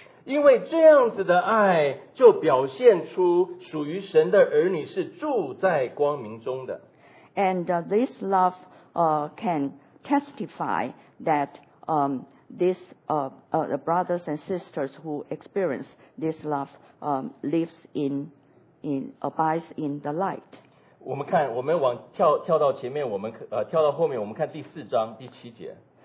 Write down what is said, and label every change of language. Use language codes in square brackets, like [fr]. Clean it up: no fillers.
[zh] 因为这样子的爱就表现出属于神的儿女是住在光明中的。 [en] And this love can testify that the brothers and sisters who experience this love lives in abides in the light. [zh] 我们看，我们往跳到前面，我们跳到后面，我们看第四章第七节。